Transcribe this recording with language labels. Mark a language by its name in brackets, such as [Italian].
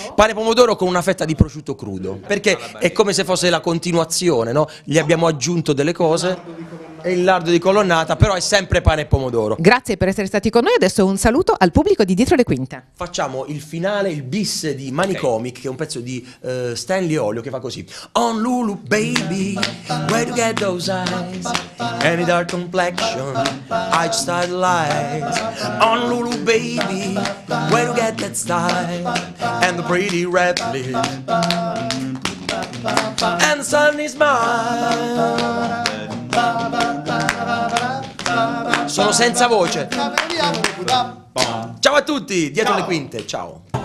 [Italian] Pane pomodoro con una fetta di prosciutto crudo, perché è come se fosse la continuazione, no? Gli abbiamo aggiunto delle cose. e il lardo di colonnata, però è sempre pane e pomodoro. Grazie per essere stati con noi, adesso un saluto al pubblico di Dietro le Quinte. Facciamo il finale, il bis di Manicomic, okay, che è un pezzo di Stanley Olio che fa così. [English] On Lulu baby, where to get those eyes, any dark complexion, I just had lies. On Lulu baby, where to get that style, and the pretty red lips, and the sunny smile. [Italian] Sono senza voce. Ciao a tutti, Dietro le Quinte, ciao.